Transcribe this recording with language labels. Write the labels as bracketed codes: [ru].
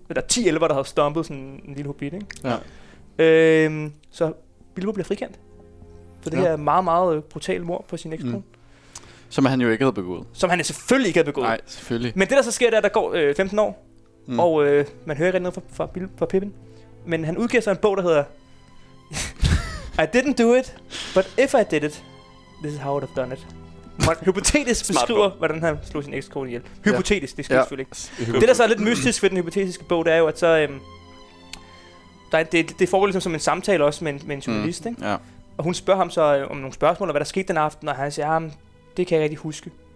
[da] Eller 10 elver, der havde stompet sådan en lille hobbit, ikke? Ja. Så Bilbo bliver frikendt for det her meget, meget brutal mord på sin ekskone. Som han jo ikke havde begået. Som han selvfølgelig ikke havde begået. Nej, selvfølgelig. Men det der så sker, det er, at der går 15 år. Og man hører ikke noget fra Pippen. Men han udgiver sig en bog, der hedder [en] I didn't do it, but if I did it, this is how I would have done it. [da] Hypotetisk beskriver, hvordan han slog sin ekskone ihjel. Hypotetisk, det skal selvfølgelig ikke. Det der så er lidt mystisk ved den hypotetiske bog, det er jo, at så det foregår ligesom som en samtale også med en journalist, ikke? Ja. Og hun spørger ham så om nogle spørgsmål, og hvad der skete den aften, og han siger, jamen, det kan jeg rigtig huske.